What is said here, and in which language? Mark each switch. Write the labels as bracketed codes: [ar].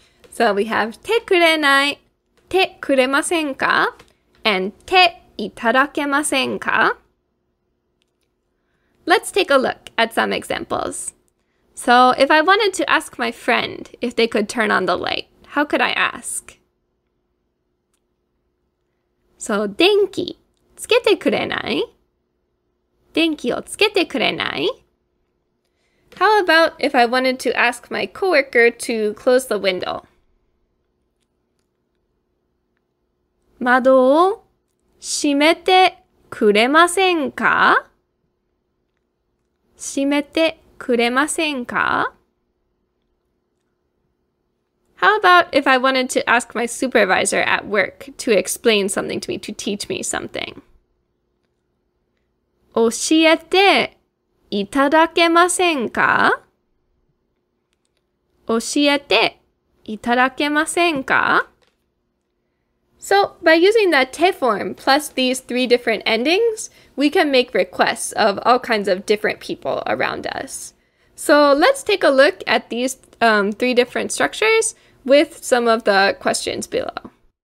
[en] So we have te kurenai, te kuremasen ka, and te itadakemasen ka. Let's take a look at some examples. So if I wanted to ask my friend if they could turn on the light, how could I ask? [ja] So, 電気つけてくれない?電気をつけてくれない? [en] How about if I wanted to ask my coworker to close the window? [ja] 窓を閉めてくれませんか? 閉めてくれませんか? [en] How about if I wanted to ask my supervisor at work to explain something to me, to teach me something? [ja] 教えていただけませんか? 教えていただけませんか? [en] So, by using that te form plus these three different endings, we can make requests of all kinds of different people around us. So, let's take a look at these three different structures with some of the questions below.